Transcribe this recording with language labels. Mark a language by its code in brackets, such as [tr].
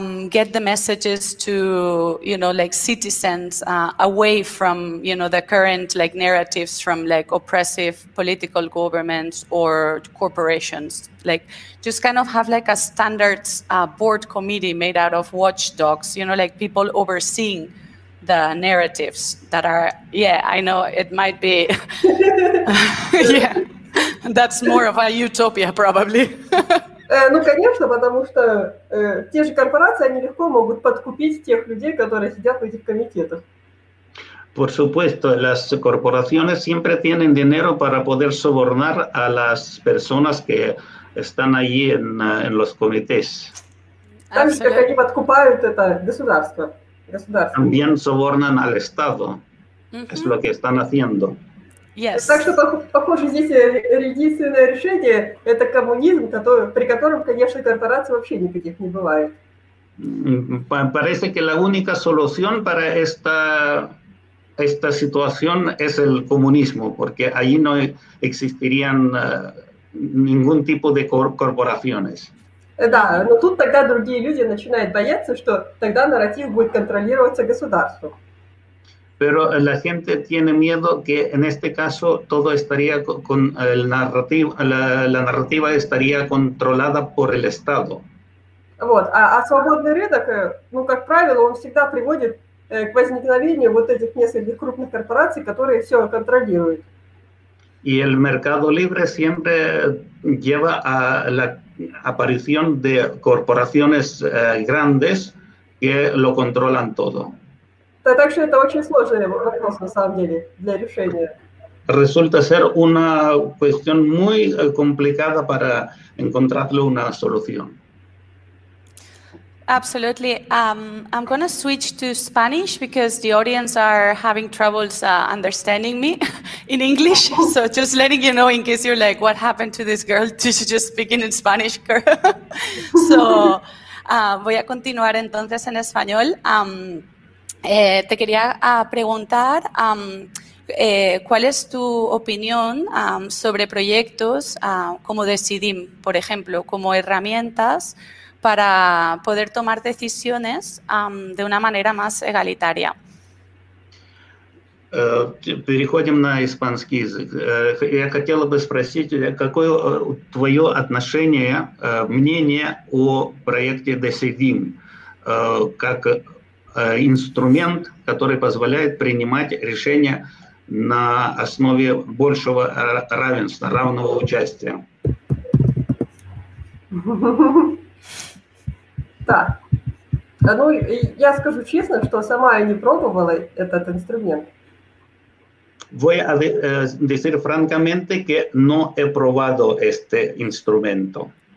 [en] get the messages to, you know, like citizens away from, you know, the current like narratives from like oppressive political governments or corporations, like just kind of have like a standards board committee made out of watchdogs, you know, like people overseeing the narratives that are, yeah, I know it might be, yeah, that's more of a utopia probably. [ru] Ну, конечно, потому что те же корпорации, они легко могут подкупить тех людей, которые сидят в этих комитетах. [es] Por supuesto, las corporaciones siempre tienen dinero para poder sobornar a las personas que están allí en los comités. [ru] Так же, как они подкупают это государство. [es] También sobornan al Estado. Mm-hmm. Es lo que están haciendo. [en] Yes. [ru] Так что, похоже, здесь единственное решение – это коммунизм, при котором, конечно, корпораций вообще никаких не бывает. [es] Parece que la única solución para esta situación es el comunismo, porque allí no existirían ningún tipo de corporaciones. [ru] Да, но тут тогда другие люди начинают бояться, что тогда нарратив будет контролироваться государством. [es] Pero la gente tiene miedo que en este caso todo estaría con el narrativa, la narrativa estaría controlada por el Estado. [ru] Вот, а свободный рынок, ну, как правило, он всегда приводит к возникновению вот этих нескольких крупных корпораций, которые все контролируют. [es] Y el mercado libre siempre lleva a la aparición de corporaciones grandes que lo controlan todo. [ru] Так что это очень сложный вопрос, на самом деле, для решения. [es] Resulta ser una cuestión muy complicada para encontrarle una solución. [en] Absolutely. I'm going to switch to Spanish because the audience are having troubles understanding me in English. So just letting you know, in case you're like, what happened to this girl? Did she just speak in Spanish, girl? So [es] voy a continuar entonces en español. Te quería preguntar cuál es tu opinión sobre proyectos como Decidim, por ejemplo, como herramientas para poder tomar decisiones de una manera más egalitaria. [ru] Переходим на испанский язык. Я хотела бы спросить, какое твое отношение, мнение о проекте Decidim, как инструмент, который позволяет принимать решения на основе большего равенства, равного участия. Так. Да. Ну, я скажу честно, что сама я не пробовала этот инструмент. [es] Voy a decir francamente que no he probado este instrumento.